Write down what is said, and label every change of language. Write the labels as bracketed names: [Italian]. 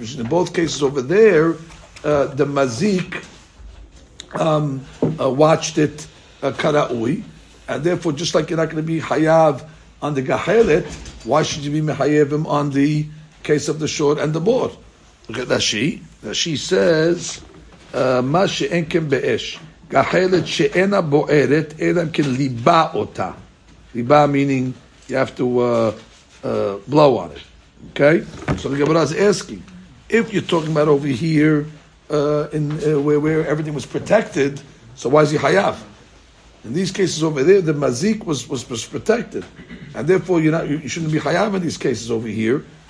[English] Because in both cases over there, the mazik watched it karaui, and therefore, just like you're not going to be hayav on the gahelet, why should you be mehayavim on the case of the shor and the boar? Rashi says... [Hebrew] מה שאין כן באש, גחלת שאינה בוערת, אלא כן ליבה אותה. [English] ליבה meaning you have to blow on it. Okay? So the Gemara is asking, if you're talking about over here where everything was protected, so why is he hayav? In these cases over there, the mazik was protected. And therefore, you shouldn't be hayav in these cases over here.